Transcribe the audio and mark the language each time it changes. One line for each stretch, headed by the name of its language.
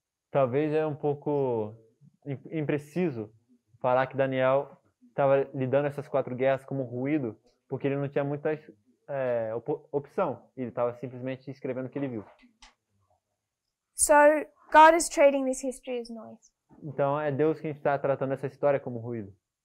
Portuguese: Talvez é um pouco impreciso falar que Daniel estava lidando essas quatro guerras como ruído, porque ele não tinha muita opção. Ele estava simplesmente escrevendo o que ele viu.
English: So, God is treating this history as noise.
Portuguese: Então, é Deus quem está tratando essa história como ruído.